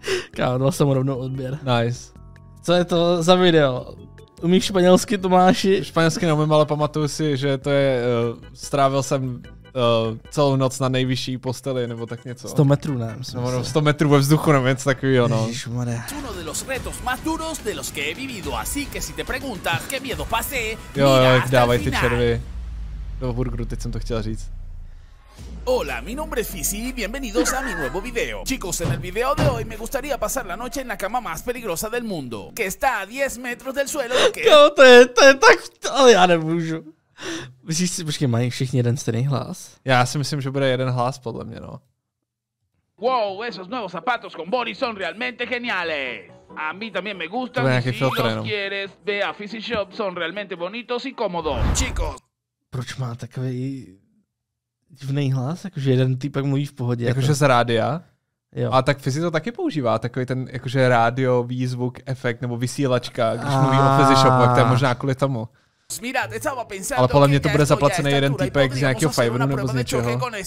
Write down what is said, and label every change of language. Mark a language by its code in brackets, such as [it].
[cs] Kámo, dal jsem mu rovnou odběr. [en] Nice. [cs] Co je to za video? Umíš španělsky, Tomáši? Španělsky neumím, ale pamatuju si, že to je, strávil jsem celou noc na nejvyšší posteli, nebo tak něco. 100 metrů, ne? Myslím, no, 100 metrů ve vzduchu, nebo něco takovýho, no. Ježišmane. [es] Es uno de los retos más duros de los que he vivido, así que si te preguntas qué miedo pasé, mira hasta el final. [cs] Jo, jak dávaj ty červy do burgeru, teď jsem to chtěl říct. [es] Hola, mi nombre es Fizi, bienvenidos a mi nuevo video. Chicos, en el video de hoy me gustaría pasar la noche en la cama más peligrosa del mundo, que está a 10 metros del suelo. [cs] Jo, to je tak, ale já nemůžu. Myslíš si, počkej, mají všichni jeden stejný hlas? Já si myslím, že bude jeden hlas, podle mě, no. [es] Wow, esos nuevos zapatos con body son realmente geniales. A mí también me gustan, si los quieres, ve a Fizi Shop, son realmente bonitos y cómodos. Chicos. [cs] Proč má takový divný hlas? Jakože jeden týpek mluví v pohodě. Jakože to... z rádia? Jo. A tak Fizi to taky používá, takový ten jakože rádio, výzvuk, efekt nebo vysílačka, když mluví o Fizi Shopu, tak to je možná kvůli tomu. Ale podle mě to bude zaplacený jeden týpek z nějakého Fiverru nebo z něčeho.